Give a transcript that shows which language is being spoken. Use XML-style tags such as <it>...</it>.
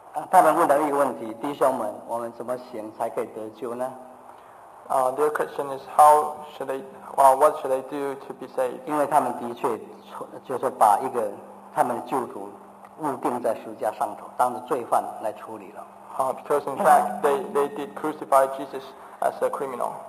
<zh>他们问了一个问题，弟兄们，我们怎么行才可以得救呢？</zh> <en>Their question is how should they, well, what should they do to be saved?</en> <zh>因为他们的确就是把一个他们的救主。误定在十字架上头，当着罪犯来处理了。</zh> <en>Because in fact they did crucify Jesus as a criminal.</en>